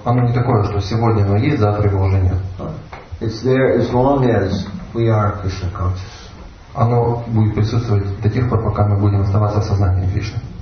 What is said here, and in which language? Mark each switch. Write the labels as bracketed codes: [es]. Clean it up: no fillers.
[ru] Оно не такое, что сегодня оно есть, завтра его уже нет. [en] It's there as long as we are Krishna conscious. [ru] Оно будет присутствовать до тех пор, пока мы будем оставаться в сознании Кришны.